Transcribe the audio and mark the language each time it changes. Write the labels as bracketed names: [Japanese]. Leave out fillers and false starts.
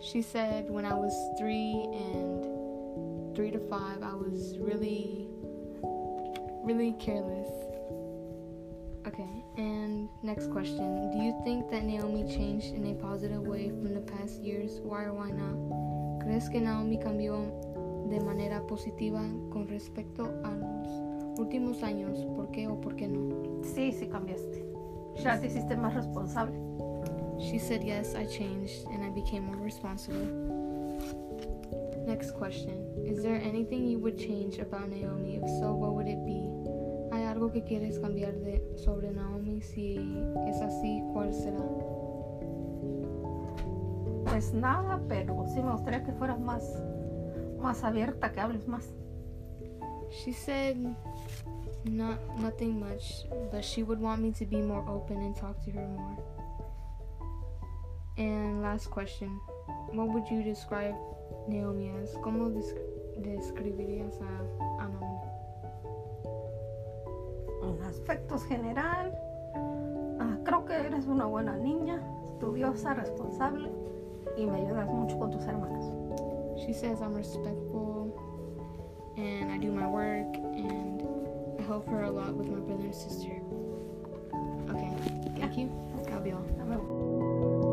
[English] She said when I was 3 and 3 to 5, I was really really careless. Okay, and next question. Do you think that Naomi changed in a positive way from the past years? Why or why not? [Spanish] ¿Crees que Naomi cambió de manera positiva con respecto a los últimos años? ¿Por qué o por qué no? Sí, sí cambiaste. Ya te hiciste más responsable. [English] She said, yes, I changed and I became more responsible. Next question. Is there anything you would change about Naomi? If so, what would it be? [Spanish] ¿Hay algo que quieres cambiar de sobre Naomi? Si es así, ¿cuál será? Pues nada, pero sí me gustaría que fueras más abierta, que hables más. [English] She said, nothing much, but she would want me to be more open and talk to her more. And last question. What would you describe Naomi as? [Spanish] ¿Cómo describirías a Naomi? En aspectos general, creo que eres una buena niña, estudiosa, responsable, y me ayudas mucho con tus hermanas. [English] She says I'm respectful, and I do my work, and I help her a lot with my brother and sister. Okay, thank you. That'll be all.